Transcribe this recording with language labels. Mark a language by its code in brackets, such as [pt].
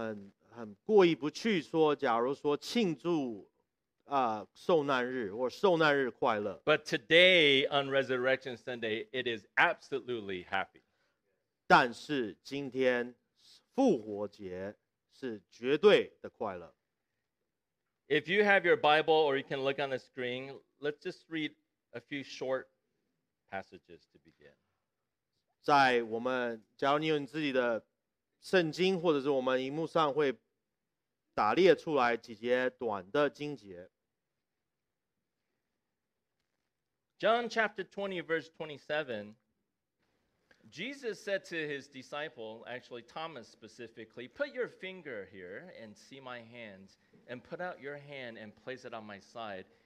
[zh] 对，所以当我们在一同纪念神所受的那些难的时候，这心里面就觉得很过意不去。说，假如说庆祝。受难日或受难日快乐. [en] But today on Resurrection Sunday, it is absolutely happy. [zh] 但是今天复活节是绝对的快乐. [en] If you have your Bible or you can look on the screen, let's just read a few short passages to begin. [zh] 在我们，假如你有你自己的圣经，或者是我们荧幕上会打列出来几节短的经节。 [en] John chapter 20, verse 27, Jesus said to his disciple, actually Thomas specifically, put your finger here and see my hands, and put out your hand and place it on my side.